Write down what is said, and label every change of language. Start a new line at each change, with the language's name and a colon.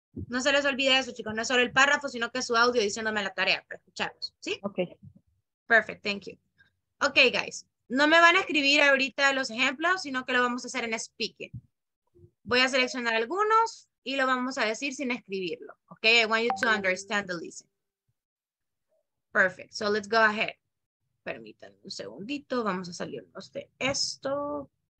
Spanish: No se les olvide eso, chicos. No es solo el párrafo, sino que su audio diciéndome la tarea para escucharlos, ¿sí?
English: Okay. Perfect, thank you. Okay, guys.
Spanish: No me van a escribir ahorita los ejemplos, sino que lo vamos a hacer en speaking. Voy a seleccionar algunos y lo vamos a decir sin escribirlo.
English: Okay, I want you to understand the listen. Perfect, so let's go ahead.
Spanish: Permítanme un segundito, vamos a salirnos de esto.